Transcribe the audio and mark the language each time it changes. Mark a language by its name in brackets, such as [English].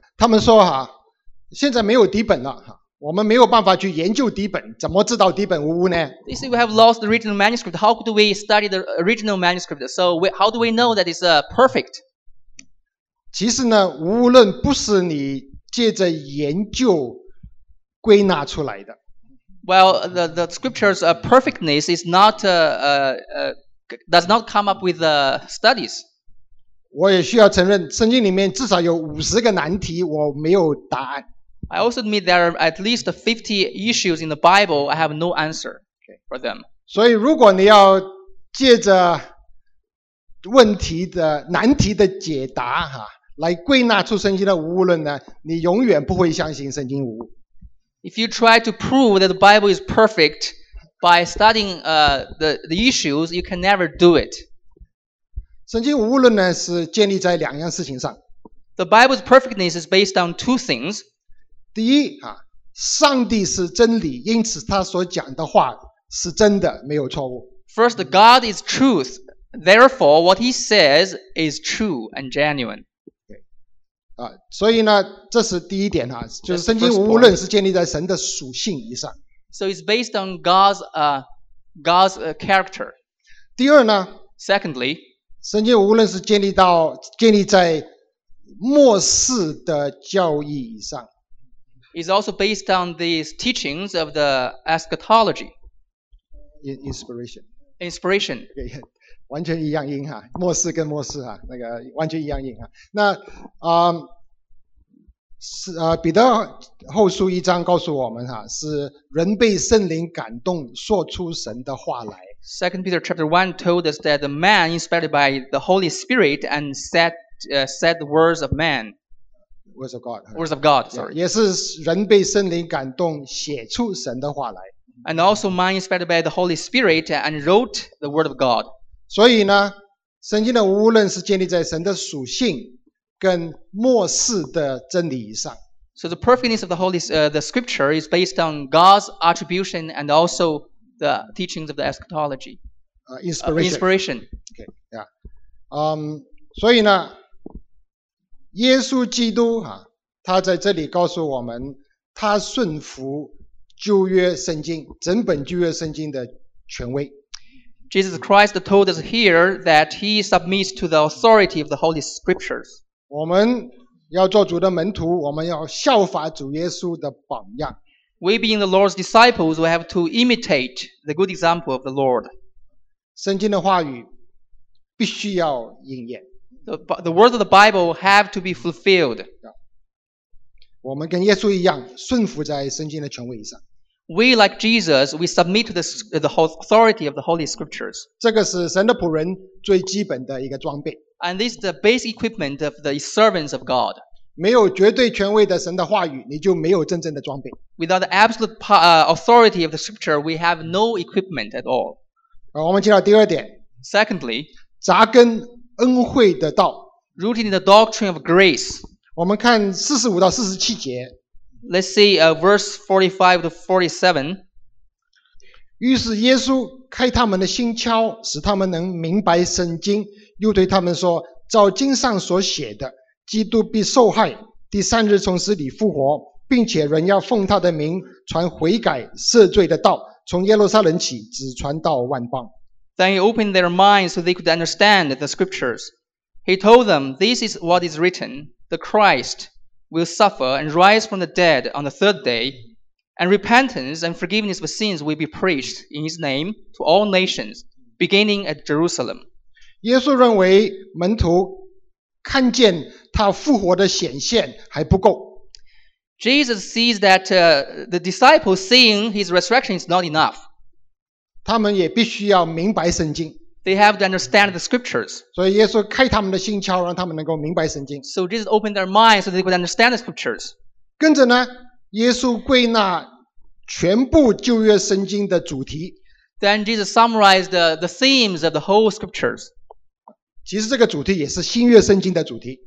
[Chinese] 他们说哈，现在没有底本了，我们没有办法去研究底本，怎么知道底本无误呢？ [English] They say we have lost the original manuscript. How could we study the original manuscript? So how do we know that it's perfect? [Chinese] 其实呢，无误论不是你借着研究归纳出来的。 [English] Well, the scriptures' perfectness is not does not come up with studies. [Chinese] 我也需要承认，圣经里面至少有50个难题，我没有答案。 [English] I also admit there are at least 50 issues in the Bible. I have no answer for them. [Chinese] 所以，如果你要借着问题的难题的解答哈，来归纳出圣经的无误论呢，你永远不会相信圣经无误。 [English] If you try to prove that the Bible is perfect by studying the issues, you can never do it. [Chinese] 圣经无误论呢是建立在两样事情上。 [English] The Bible's perfectness is based on two things. [Chinese] 第一啊，上帝是真理，因此他所讲的话是真的，没有错误。 [English] First, God is truth. Therefore, what he says is true and genuine. [Chinese] 所以呢，这是第一点，就是圣经无误论是建立在神的属性以上。 [English] So it's based on God's character. [Chinese] 第二呢 [English] ？Secondly， [Chinese] 圣经无误论是建立在末世的教义以上。 [English] It's also based on these teachings of the eschatology. Inspiration. Inspiration. Okay. [Chinese] 完全一样音哈，末世跟末世哈，那个完全一样音哈。那彼得后书一章告诉我们哈，是人被圣灵感动说出神的话来。 [English] Second Peter chapter 1 told us that the man inspired by the Holy Spirit and said the words of man. Words of God. Words of God. Sorry. [Chinese] 也是人被圣灵感动写出神的话来。 [English] And also man inspired by the Holy Spirit and wrote the word of God. [Chinese] 所以呢，圣经的无误论是建立在神的属性跟末世的真理以上。 [English] So the perfectness of the scripture is based on God's attribution and also the teachings of the eschatology. Inspiration. Okay. Yeah. [Chinese] 所以呢，耶稣基督哈，他在这里告诉我们，他顺服旧约圣经，整本旧约圣经的权威。 [English] Jesus Christ told us here that he submits to the authority of the Holy Scriptures. [Chinese] 我们要做主的门徒，我们要效法主耶稣的榜样。 [English] We being the Lord's disciples, we have to imitate the good example of the Lord. [Chinese] 圣经的话语必须要应验。 [English] The words of the Bible have to be fulfilled. [Chinese] 我们跟耶稣一样，顺服在圣经的权威上。 [English] We like Jesus, we submit to the authority of the Holy Scriptures. [Chinese] 这个是神的仆人最基本的一个装备。 [English] And this is the basic equipment of the servants of God. [Chinese] 没有绝对权威的神的话语，你就没有真正的装备。 [English] Without the absolute authority of the Scripture, we have no equipment at all. [Chinese] 我们接到第二点。 [English] Secondly, [Chinese] 扎根恩惠的道。 [English] Rooted in the doctrine of grace. [Chinese] 我们看45到47节。 [English] Let's see verse 45 to 47. [Chinese] 于是耶稣开他们的心窍，使他们能明白圣经，又对他们说，照经上所写的，基督必受害，第三日从死里复活，并且人要奉他的名传悔改赦罪的道，从耶路撒冷起，只传到万邦。 [English] Then he opened their minds so they could understand the scriptures. He told them, this is what is written, the Christ will suffer and rise from the dead on the third day, and repentance and forgiveness of sins will be preached in his name to all nations, beginning at Jerusalem. [Chinese] 耶稣认为门徒看见他复活的显现还不够。 [English] Jesus sees that the disciples seeing his resurrection is not enough. [Chinese] 他们也必须要明白圣经。 [English] They have to understand the scriptures. [Chinese] 所以耶稣开他们的心窍，让他们能够明白圣经。 [English] So Jesus opened their minds so they could understand the scriptures. [Chinese] 跟着呢，耶稣归纳全部旧约圣经的主题。 [English] Then Jesus summarized the themes of the whole scriptures. [Chinese] 其实这个主题也是新约圣经的主题。